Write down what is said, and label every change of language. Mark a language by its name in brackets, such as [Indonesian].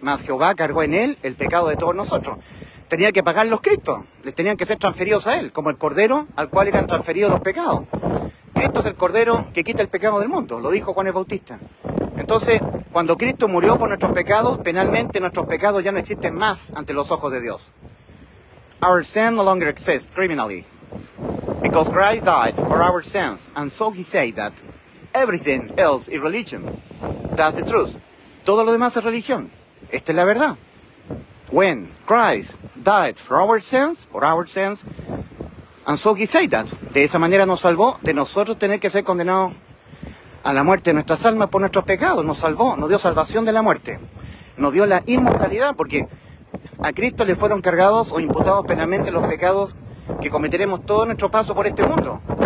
[Spanish] Mas Jehová cargó en él el pecado de todos nosotros. Tenía que pagar los Cristo, les tenían que ser transferidos a él, como el cordero al cual eran transferidos los pecados. Cristo es el cordero que quita el pecado del mundo, lo dijo Juan el Bautista. Entonces, cuando Cristo murió por nuestros pecados, penalmente nuestros pecados ya no existen más ante los ojos de Dios. [English] Our sin no longer exists criminally, because Christ died for our sins, and so he said that everything else is religion. That's the truth. [Spanish] Todo lo demás es religión. Esta es la verdad. [English] When Christ died for our sins, and so he said that. [Spanish] De esa manera nos salvó de nosotros tener que ser condenados a la muerte de nuestras almas por nuestros pecados. Nos salvó, nos dio salvación de la muerte. Nos dio la inmortalidad, porque a Cristo le fueron cargados o imputados penalmente los pecados que cometeremos todo nuestro paso por este mundo.